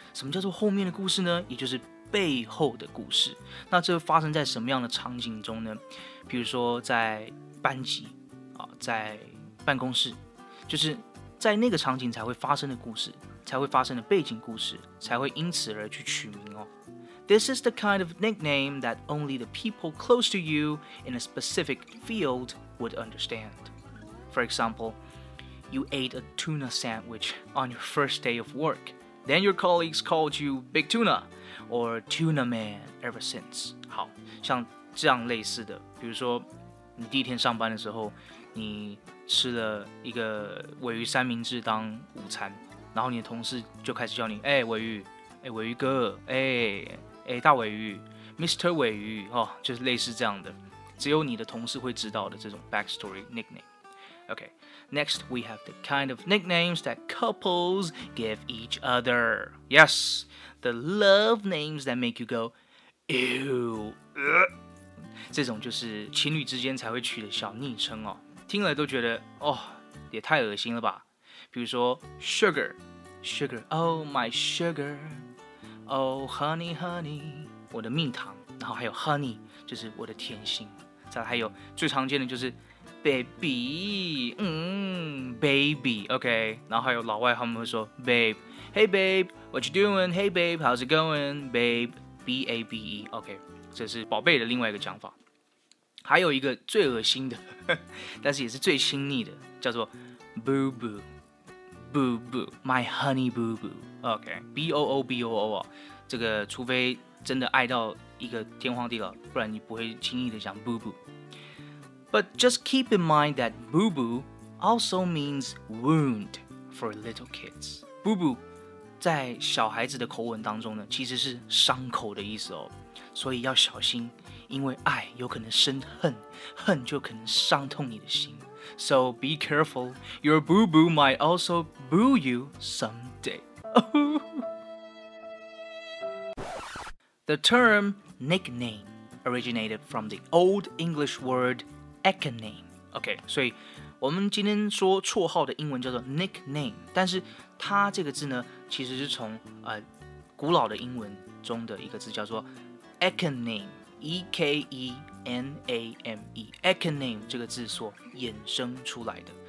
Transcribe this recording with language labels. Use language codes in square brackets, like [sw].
[zh] 什么叫做后面的故事呢？也就是背后的故事。那这发生在什么样的场景中呢？比如说在班级、在办公室，就是在那个场景才会发生的故事，才会发生的背景故事，才会因此而去取名哦。 [en] This is the kind of nickname that only the people close to you in a specific field would understand. For example,You ate a tuna sandwich on your first day of work, Then your colleagues called you Big Tuna or Tuna Man ever since. [zh] 好，像这样类似的，比如说你第一天上班的时候，你吃了一个鲔鱼三明治当午餐，然后你的同事就开始叫你，哎，鲔鱼，哎，鲔鱼哥，哎，大鲔鱼 ，Mr. 鲔鱼，哦，就是类似这样的，只有你的同事会知道的这种 backstory nickname。 [en] Okay, next we have the kind of nicknames that couples give each other. Yes, the love names that make you go, ew. [zh] 这种就是情侣之间才会取的小昵称哦，听了都觉得哦，也太恶心了吧。比如说 [en] sugar, sugar, oh my sugar, oh honey, honey, [zh] 我的蜜糖，然后还有 honey, 就是我的甜心。再来还有最常见的就是Baby, baby, okay. 然后还有老外他们会说 babe, [en] hey babe, what you doing? Hey babe, how's it going? Babe, B-A-B-E, okay. [zh] 这是宝贝的另外一个讲法。还有一个最恶心的，但是也是最亲昵的，叫做 [en] boo boo, boo boo, [zh] my honey boo boo, okay. B-O-O-B-O-O, 啊，这个除非真的爱到一个天荒地老，不然你不会轻易的讲 boo boo。 [en] But just keep in mind that boo-boo also means wound for little kids. [zh] Boo-boo 在小孩子的口吻当中呢，其实是伤口的意思哦。所以要小心，因为爱有可能生恨，恨就可能伤痛你的心。 [en] So be careful, your boo-boo might also boo you someday. The term nickname originated from the old English wordNickname, okay. [zh] 所以我们今天说绰号的英文叫做 nickname, 但是它这个字呢，其实是从古老的英文中的一个字叫做 ekename, E-K-E-N-A-M-E, ekename 这个字所衍生出来的。